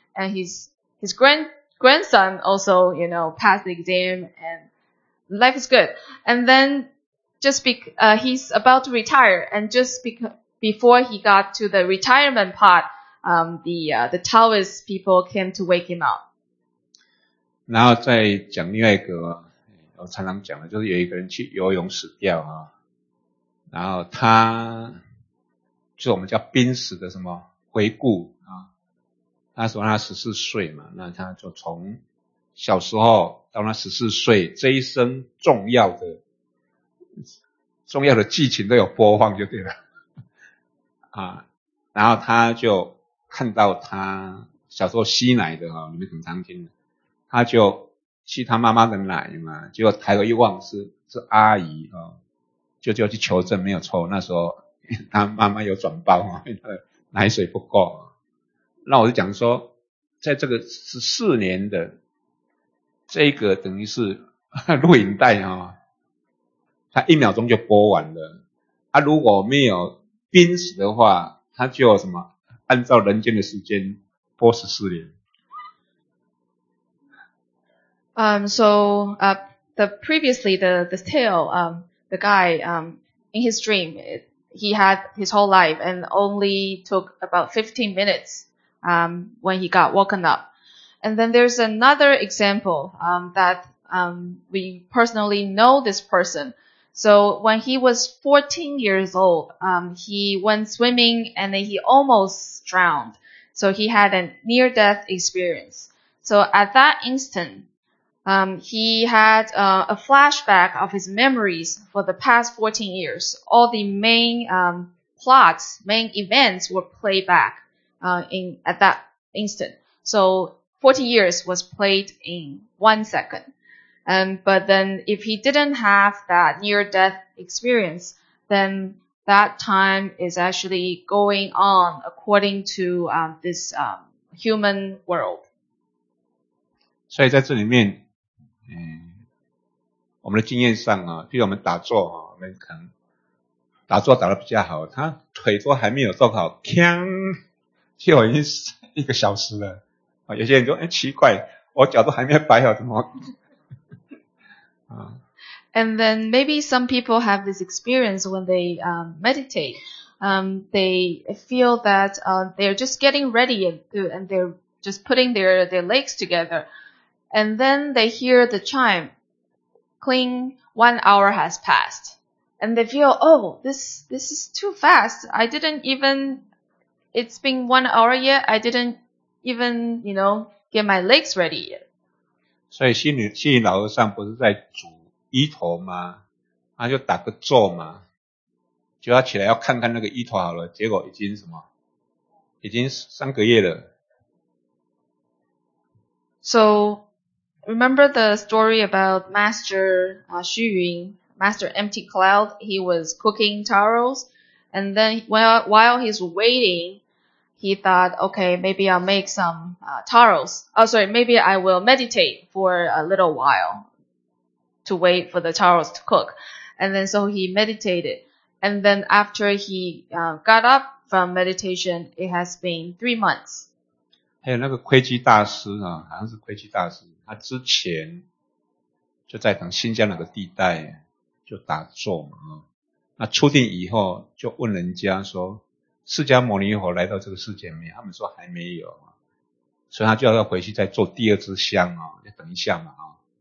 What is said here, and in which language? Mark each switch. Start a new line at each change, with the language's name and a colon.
English: And his grandson also, you know, passed the exam and life is good. And then he's about to retire. And just before he got to the retirement part, the Taoist people came to wake him up.
Chinese: 然后再讲另外一个我常常讲的就是有一个人去游泳死掉啊然后他就是我们叫濒死的什么回顾啊他说他14岁嘛那他就从小时候到他14岁这一生重要的剧情都有播放就对了啊然后他就看到他小时候吸奶的啊你们很常听的他就去他妈妈的奶嘛，结果抬头一望是阿姨哦，就去求证没有错，那时候他妈妈有转包啊，奶水不够。那我就讲说，在这个14年的这个等于是录影带啊，他一秒钟就播完了。啊，如果没有濒死的话，他就什么按照人间的时间播14年。
English: So, previously the tale, the guy, in his dream, he had his whole life and only took about 15 minutes, when he got woken up. And then there's another example, that we personally know this person. So when he was 14 years old, he went swimming and then he almost drowned. So he had a near-death experience. So at that instant, he had a flashback of his memories for the past 14 years. All the main plots, main events were played back at that instant. So 14 years was played in 1 second. But then if he didn't have that near-death experience, then that time is actually going on according to this human world.
Chinese: 所以在这里面我们的经验上啊，譬如我们打坐啊，我们可能打坐打得比较好，他腿都还没有做好，锵，就已经一个小时了。有些人说，哎，奇怪，我脚都还没摆好，怎么？
English: And then maybe some people have this experience when they meditate. They feel that they're just getting ready and they're just putting their legs together. And then they hear the chime. Cling, 1 hour has passed. And they feel, oh, this is too fast. It's been 1 hour yet. I didn't even, you know, get my legs ready yet.
Chinese: 所以心理老和尚不是在煮芋头吗？他就打个坐嘛，就要起来要看看那个芋头好了，结果已经什么，已经三个月了。
English: So, remember the story about Master Xu Yun, Master Empty Cloud? He was cooking taros, and then while he's waiting, he thought, okay, maybe I'll make some taros. Oh, sorry, maybe I will meditate for a little while to wait for the taros to cook. And then so he meditated. And then after he got up from meditation, it has been 3 months.
Chinese: 还有那个窥基大师啊，好像是窥基大师，他之前就在等新疆那个地带就打坐嘛，那出定以后就问人家说，释迦牟尼佛来到这个世界没有？他们说还没有，所以他就要回去再做第二支香啊，要等一下嘛啊。